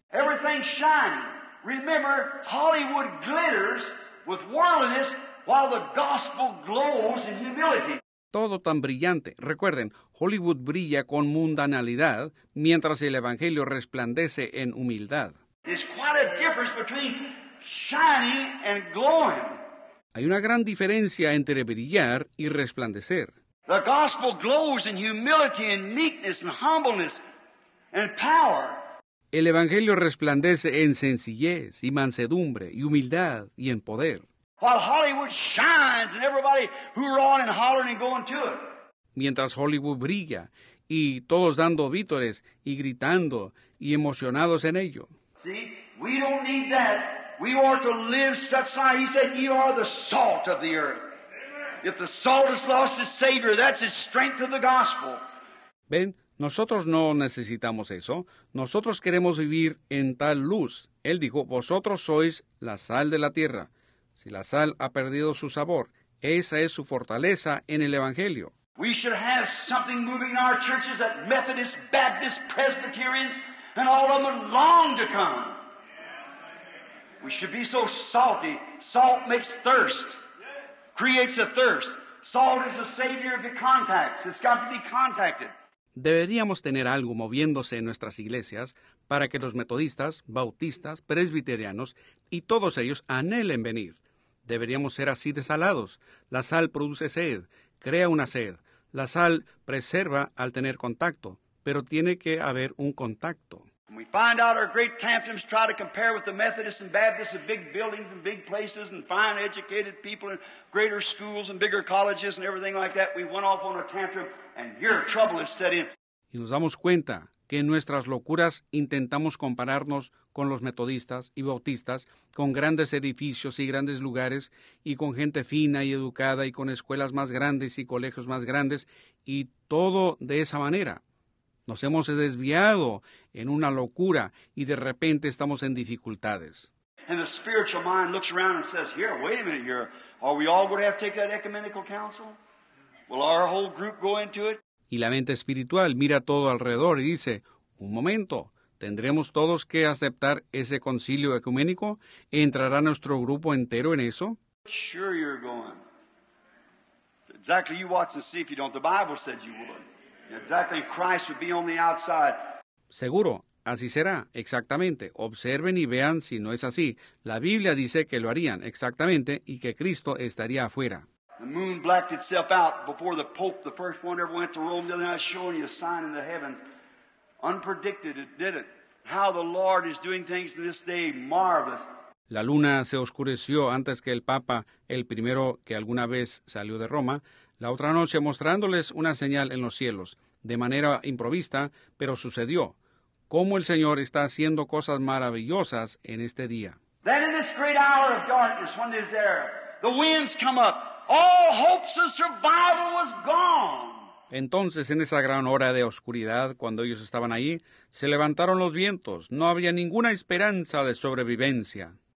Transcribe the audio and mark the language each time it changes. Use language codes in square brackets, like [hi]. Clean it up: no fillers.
[en] Everything's shining. Remember, Hollywood glitters with worldliness while the gospel glows in humility. [es] Todo tan brillante. Recuerden, Hollywood brilla con mundanalidad mientras el Evangelio resplandece en humildad. [en] There's quite a difference between shining and glowing. [es] Hay una gran diferencia entre brillar y resplandecer. [en] The gospel glows in humility and meekness and humbleness and power. [es] El Evangelio resplandece en sencillez y mansedumbre y humildad y en poder. [en] While Hollywood shines and everybody hoorahing and hollering and going to it. [es] Mientras Hollywood brilla y todos dando vítores y gritando y emocionados en ello. [en] See, we don't need that. We are to live such life. He said, you are the salt of the earth. If the salt has lost its savior, that's its strength of the gospel. [es] Ven, nosotros no necesitamos eso. Nosotros queremos vivir en tal luz. Él dijo, vosotros sois la sal de la tierra. Si la sal ha perdido su sabor, esa es su fortaleza en el Evangelio. [en] We should have something moving in our churches that Methodists, Baptists, Presbyterians, and all of them long to come. We should be so salty. Salt makes thirst, creates a thirst. Salt is the savior of the contacts. It's got to be contacted. [es] Deberíamos tener algo moviéndose en nuestras iglesias para que los metodistas, bautistas, presbiterianos y todos ellos anhelen venir. Deberíamos ser así de salados. La sal produce sed, crea una sed. La sal preserva al tener contacto, pero tiene que haber un contacto. [en] We find out our great tantrums try to compare with the Methodists and Baptists and big buildings and big places and fine educated people and greater schools and bigger colleges and everything like that. We went off on a tantrum and your trouble is set in. [es] Y nos damos cuenta que en nuestras locuras intentamos compararnos con los metodistas y bautistas, con grandes edificios y grandes lugares y con gente fina y educada y con escuelas más grandes y colegios más grandes y todo de esa manera. Nos hemos desviado en una locura y de repente estamos en dificultades. [en] And the spiritual mind looks around and says, here, wait a minute here. Are we all going to have to take that ecumenical council? Will our whole group go into it? [es] Y la mente espiritual mira todo alrededor y dice, un momento, ¿tendremos todos que aceptar ese concilio ecuménico? ¿Entrará nuestro grupo entero en eso? [en] Sure you're going. Exactly, you watch and see if you don't. The Bible said you would. Exactly, Christ would be on the outside. [es] Seguro, así será, exactamente. Observen y vean si no es así. La Biblia dice que lo harían, exactamente, y que Cristo estaría afuera. [en] The moon blacked itself out before the Pope, the first one ever went to Rome, the other night showing you a sign in the heavens. Unpredicted, it did it. How the Lord is doing things to this day, marvelous. [es] La luna se oscureció antes que el Papa, el primero que alguna vez salió de Roma, la otra noche mostrándoles una señal en los cielos, de manera improvista, pero sucedió. Cómo el Señor está haciendo cosas maravillosas en este día. [en] Then in this great hour of darkness, when there's there, the winds come up. All hopes of survival was gone. [es] Entonces, en esa gran hora de oscuridad, cuando ellos estaban ahí, se levantaron los vientos. No había ninguna esperanza de sobrevivencia.